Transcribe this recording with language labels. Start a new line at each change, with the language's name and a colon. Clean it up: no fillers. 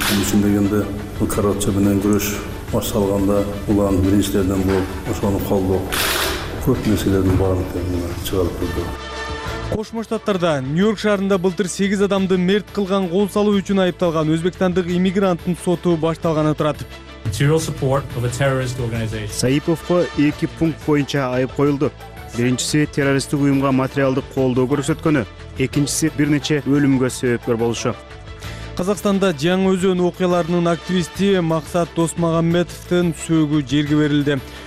Kyrgyz: Түшүн дегенде бул коррупция менен күрөш башталганда улан биринчилерден болуп ошону колдоп көп нерселердин баарын чыгарып турду. Кошмо Штаттарда Нью-Йорк шаарында былтыр 8 адамды мерт кылган кол салуу үчүн айыпталган өзбекстандык иммигранттын соту башталганы турат.
English: Material support of a terrorist organization.
Kyrgyz: Саиповко 2 пункт боюнча айып коюлду. Биринчиси террористтик уюмга материалдык колдоо көрсөткөнү, экинчиси бир нече өлүмгө себепкер болушу. Казакстанда Жаң Өзөн окуяларынын активисти Максат Досмагамбетовтун сөөгү жерге берилди.